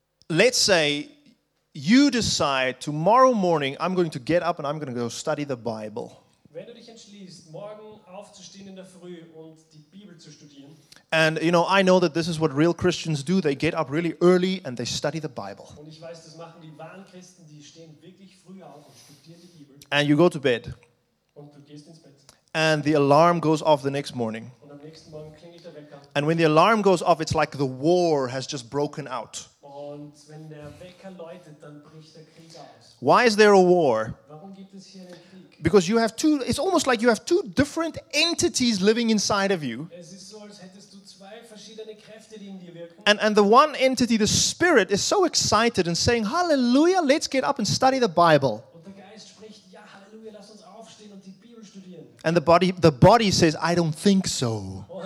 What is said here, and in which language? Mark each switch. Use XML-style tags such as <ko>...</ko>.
<en>let's say you decide tomorrow morning I'm going to get up and I'm going to go study the Bible.</en> <de>Wenn du dich entschließt, morgen aufzustehen in der Früh und die Bibel zu studieren.</de> <en>And you know, I know that this is what real Christians do. They get up really early and they study the Bible.</en> <de>Und ich weiß, das machen die wahren Christen, die stehen wirklich früh auf und studieren die Bibel.</de> <en>And you go to bed.</en> <de>Und du gehst ins Bett.</de> <en>And the alarm goes off the next morning.</en> <de>Und am nächsten Morgen klingelt der Wecker.</de> <en>And when the alarm goes off, it's like the war has just broken out.</en> <de>Und wenn der Wecker läutet, dann bricht der Krieg aus.</de> <en>Why is there a war?</en> <de>Warum gibt es hier einen Krieg?</de> <en>Because you have two, it's almost like you have two different entities living inside of you.</en> <de>Es ist so, als hättest du zwei verschiedene Kräfte, die in dir wirken.</de> <en>And the one entity, the spirit, is so excited and saying, hallelujah, let's get up and study the Bible.</en> <de>Und der Geist spricht, ja, hallelujah, lass uns aufstehen und die Bibel studieren.</de> <en>And the body says, I don't think so.</en>